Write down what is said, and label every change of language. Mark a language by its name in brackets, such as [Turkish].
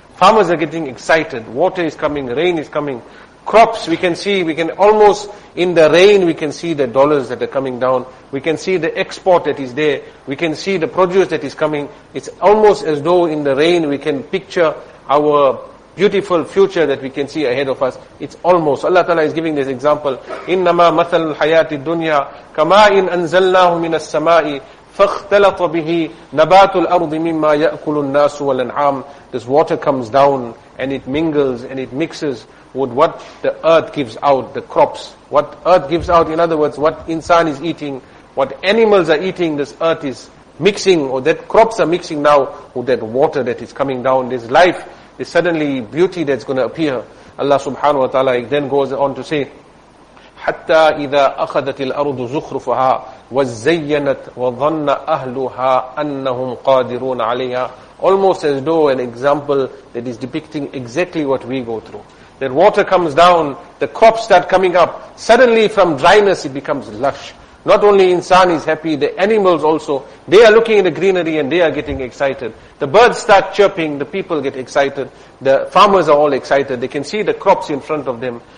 [English] Farmers are getting excited. Water is coming, rain is coming. Crops, we can see, we can almost, in the rain, we can see the dollars that are coming down. We can see the export that is there. We can see the produce that is coming. It's almost as though in the rain we can picture our beautiful future that we can see ahead of us. It's almost. Allah Ta'ala is giving this example. [Arabic] إِنَّمَا مَثَلُ الْحَيَاةِ الدُّنْيَا كَمَا إِنْ أَنزَلْنَاهُ مِنَ السَّمَاءِ فَاخْتَلَطَ بِهِ نَبَاتُ الْأَرْضِ مِمَّا يَأْكُلُ النَّاسُ وَالْأَنْعَامُ. [English] This water comes down and it mingles and it mixes with what the earth gives out, the crops. What earth gives out, in other words, what insan is eating, what animals are eating, this earth is mixing, or that crops are mixing now with that water that is coming down. There's life, there's suddenly beauty that's going to appear. Allah subhanahu wa ta'ala then goes on to say, [Arabic] حَتَّى إِذَا أَخَذَتِ الْأَرْضُ زُخْرُفَهَا وَزَّيَّنَتْ وَظَنَّ أَهْلُهَا أَنَّهُمْ قَادِرُونَ عَلَيْهَا. [English] Almost as though an example that is depicting exactly what we go through. That water comes down, the crops start coming up, suddenly from dryness it becomes lush. Not only insan is happy, the animals also, they are looking at the greenery and they are getting excited. The birds start chirping, the people get excited, the farmers are all excited, they can see the crops in front of them.